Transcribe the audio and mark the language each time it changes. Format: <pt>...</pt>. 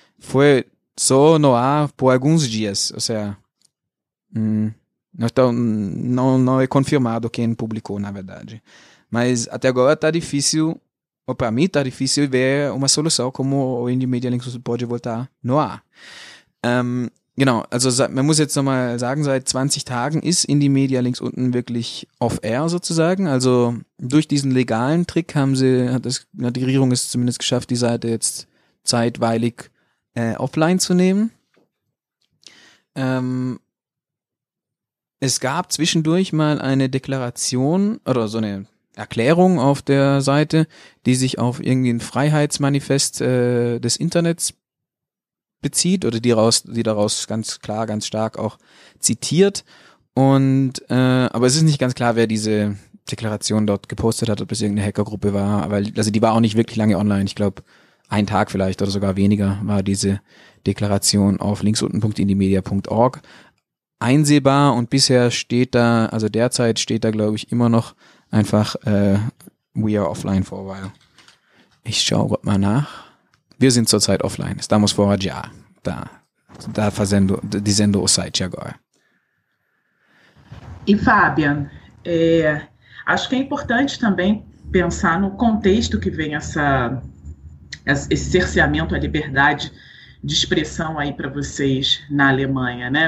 <pt>Foi só no ar por alguns dias, ou seja, não é confirmado quem publicou, na verdade. Mas até agora está difícil, ou para mim está difícil ver uma solução como o Indie Media Linux pode voltar no ar.</pt> <de>Genau, also man muss jetzt nochmal sagen, seit 20 Tagen ist Indie Media links unten wirklich off-air sozusagen. Also durch diesen legalen Trick haben sie, die Regierung es zumindest geschafft, die Seite jetzt zeitweilig offline zu nehmen. Es gab zwischendurch mal eine Deklaration oder so eine Erklärung auf der Seite, die sich auf irgendwie ein Freiheitsmanifest des Internets bezieht oder die daraus ganz klar, ganz stark auch zitiert. Und aber es ist nicht ganz klar, wer diese Deklaration dort gepostet hat, ob es irgendeine Hackergruppe war, weil, also die war auch nicht wirklich lange online. Ich glaube, ein Tag vielleicht oder sogar weniger war diese Deklaration auf linksunten.indiemedia.org einsehbar. Und bisher steht da, also derzeit steht da, glaube ich, immer noch einfach</de> <en>we are offline for a while.</en> <de>Ich schaue gerade mal nach. Wir sind zurzeit offline.</de> <pt>Estamos fora de ar. Tá. Tá fazendo, dizendo o site agora. E, Fabian, acho que é importante também pensar no contexto que vem esse cerceamento à liberdade de expressão aí para vocês na Alemanha, né?</pt>